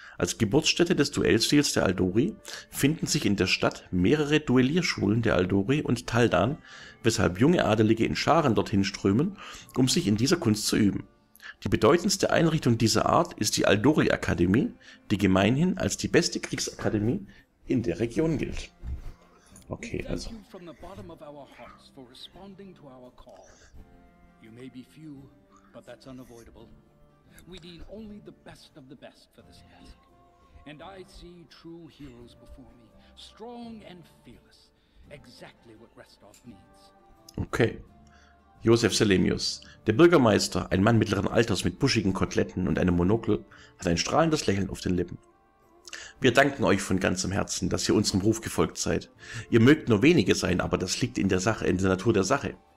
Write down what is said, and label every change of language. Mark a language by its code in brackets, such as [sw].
[de] Als Geburtsstätte des Duellstils der Aldori finden sich in der Stadt mehrere Duellierschulen der Aldori und Tal'Dan, weshalb junge Adelige in Scharen dorthin strömen, um sich in dieser Kunst zu üben. Die bedeutendste Einrichtung dieser Art ist die Aldori-Akademie, die gemeinhin als die beste Kriegsakademie in der Region gilt. [en] We Okay, thank [de] also. [en] you from the bottom of our hearts for responding to our call. You may be few, but that's unavoidable. We need only the best of the best for this task. And I see true heroes before me, strong and fearless, exactly what Rostov needs. Okay. [de] Josef Selemius, der Bürgermeister, ein Mann mittleren Alters mit buschigen Koteletten und einem Monokel, hat ein strahlendes Lächeln auf den Lippen. Wir danken euch von ganzem Herzen, dass ihr unserem Ruf gefolgt seid. Ihr mögt nur wenige sein, aber das liegt in der Sache, in der Natur der Sache.